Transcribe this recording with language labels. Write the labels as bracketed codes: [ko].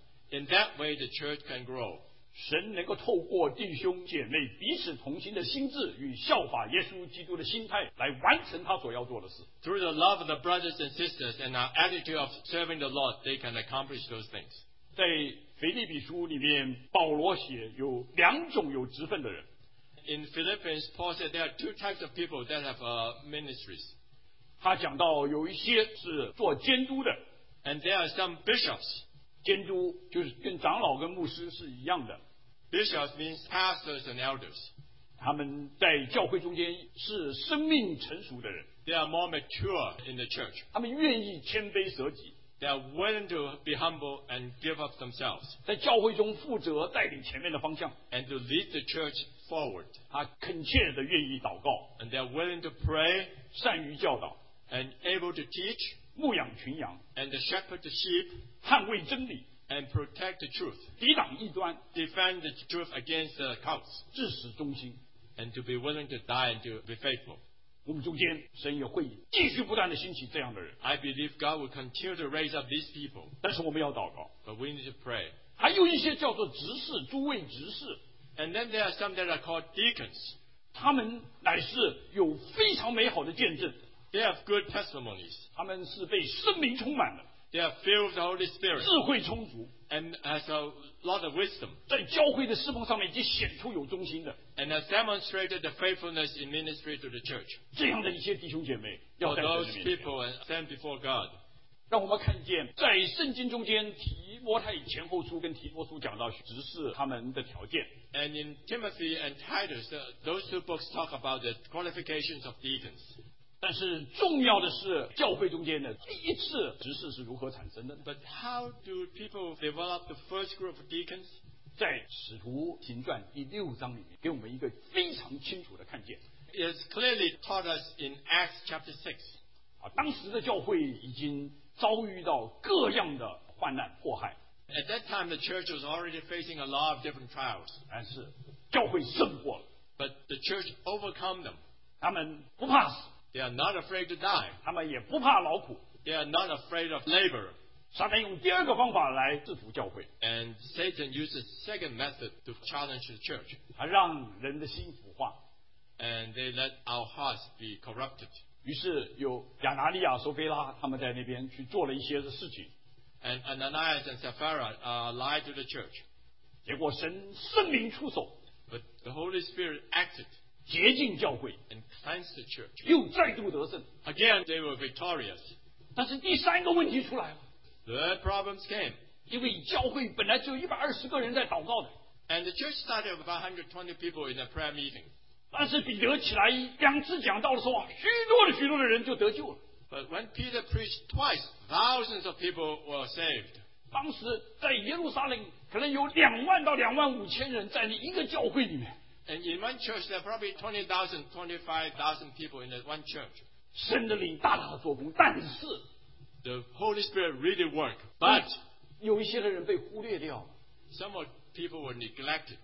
[en] In that way, the church can grow. [zh] 神能够透过弟兄姐妹彼此同心的心智与效法耶稣基督的心态来完成他所要做的事。 [en] Through the love of the brothers and sisters and our attitude of serving the Lord, they can accomplish those things. [zh] 在腓立比书里面，保罗写有两种有职分的人。 [en] In Philippians, Paul said there are two types of people that have ministries. [zh] 他讲到有一些是做监督的。 [en] And there are some bishops. [zh] 监督就是跟长老跟牧师是一样的。 [en] Bishops means pastors and elders. [zh] 他们在教会中间是生命成熟的人。 [en] They are more mature in the church. [zh] 他们愿意谦卑舍己。 [en] They are willing to be humble and give up themselves. [zh] 在教会中负责带领前面的方向。 [en] And to lead the church forward. [zh] 他恳切的愿意祷告。 [en] And they are willing to pray. [zh] 善于教导。 [en] And able to teach. [zh] 牧养群羊。 [en] And to shepherd the sheep. [zh] 捍卫真理 [en] and protect the truth, [zh] 抵挡异端 [en] defend the truth against the cults, [zh] 至死忠心 [en] and to be willing to die and to be faithful. [zh] 我们中间神也会继续不断地兴起这样的人 [en] I believe God will continue to raise up these people. [zh] 但是我们要祷告 [en] but we need to pray. [zh] 还有一些叫做执事诸位执事 [en] and then there are some that are called deacons. [zh] 他们乃是有非常美好的见证 [en] they have good testimonies. [zh] 他们是被圣灵充满的 [en] They are filled with the Holy Spirit. [zh] 智慧充足 [en] And has a lot of wisdom. [zh] 在教会的侍奉上面已经显出有忠心的 [en] And has demonstrated the faithfulness in ministry to the church. [zh] 这样的一些弟兄姐妹要带在这里面 [en] For those people and stand before God. [zh] 让我们看见在圣经中间提摩太前后书跟提摩书讲到执事他们的条件 [en] And in Timothy and Titus, those two books talk about the qualifications of deacons. [zh] 但是重要的是教会中间的第一次执事是如何产生的 [en] But how do people develop the first group of deacons? [zh] 在使徒行传第六章里面给我们一个非常清楚的看见 [en] It's clearly taught us in Acts chapter 6、 [zh] 当时的教会已经遭遇到各样的患难迫害 [en] At that time the church was already facing a lot of different trials [zh] 但是教会胜过了 [en] But the church overcome them [zh] 他们不怕死 [en] They are not afraid to die. [zh] 他们也不怕劳苦。 [en] They are not afraid of labor. [zh] 撒旦用第二个方法来制服教会。 [en] And Satan uses second method to challenge the church. [zh] 他让人的心腐化。 [en] And they let our hearts be corrupted. [zh] 于是有亚拿尼亚、索非拉他们在那边去做了一些的事情。 [en] And Ananias and Sapphira lied to the church. [zh] 结果神圣灵出手。 [en] But the Holy Spirit acted. [zh] 洁净教会 [en] and cleanse the church. [zh] 又再度得胜 [en] Again, they were victorious. [zh] 但是第三个问题出来了 [en] The problems came. [zh] 因为教会本来只有120个人在祷告的 [en] And the church started with 120 people in a prayer meeting. [zh] 但是彼得起来两次讲道的时候许多的许多的人就得救了 [en] But when Peter preached twice, thousands of people were saved. [zh] 当时在耶路撒冷可能有2万到2万5千人在那一个教会里面 [en] And in one church, there are probably 20,000, 25,000 people in that one church. [zh] 神的灵大大的作工，但是 [en] The Holy Spirit really worked, but [zh] 有一些的人被忽略掉 [en] Some of people were neglected.